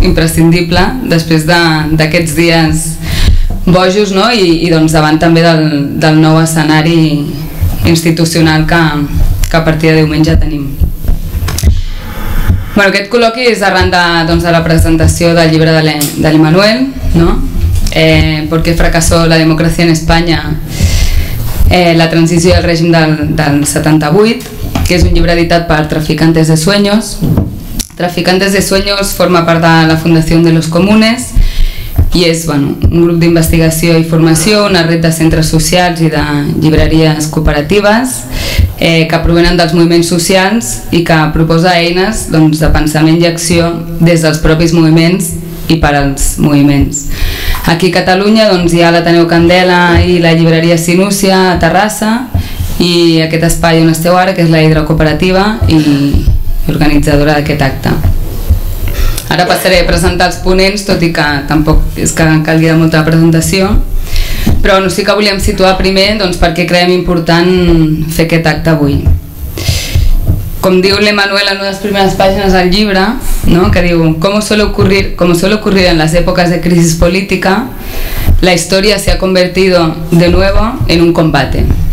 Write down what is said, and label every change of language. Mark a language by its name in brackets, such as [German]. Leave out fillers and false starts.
[Catalan] Imprescindible després d'aquests dies bojos, no? I doncs davant també del nou escenari institucional que a partir de diumenge tenim. Bueno, aquest col·loqui és arran de la presentació del llibre de l'Emmanuel, no? [Spanish] ¿Por qué fracasó la democracia en España? La transición del régimen del 78, [Catalan] que es un llibre editat per Traficantes de Sueños. Traficantes de Sueños forma part de la Fundación de los Comunes i és, bueno, un grup d'investigació i formació, una red de centres socials i de llibreries cooperatives que provenen dels moviments socials i que proposa eines, doncs, de pensament i acció des dels propis moviments i per als moviments. Aquí a Catalunya, doncs, hi ha l'Ateneu Candela i la llibreria Sinúcia a Terrassa i aquest espai on esteu ara, que és la Hidra Cooperativa i organitzadora d'aquest acte. Ara passaré a presentar els ponents, tot i que tampoc és que calgui de molta presentació, però no, sí que volíem situar primer, doncs, perquè creiem important fer aquest acte avui. Com diu l'Emmanuel en una de les primeres pàgines del llibre, no? Que diu, [Spanish] como suele ocurrir en las épocas de crisis política, la historia se ha convertido de nuevo en un combate.